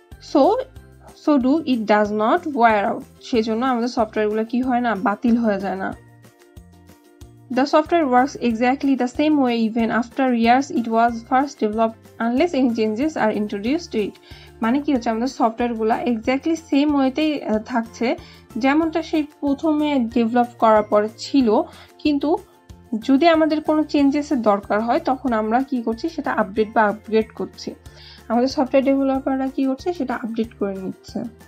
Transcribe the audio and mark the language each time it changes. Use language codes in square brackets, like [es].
[en] so it does not wear out, [bn] সেই জন্য আমাদের সফটওয়্যারগুলো কি হয় না, বাতিল হয়ে যায় না। [en] The software works exactly the same way even after years it was first developed unless any changes are introduced to it. [bn] মানে কি হচ্ছে, আমাদের সফটওয়্যারগুলো এক্স্যাক্টলি সেম ওয়েতেই থাকছে যেমনটা সেই প্রথমে ডেভেলপ করার পর ছিল, কিন্তু যদি আমাদের কোনো চেঞ্জেসের দরকার হয় তখন আমরা কি করছি, সেটা আপডেট বা আপগ্রেড করছি। আমাদের সফটওয়্যার ডেভেলপাররা কি করছে, সেটা আপডেট করে নিচ্ছে।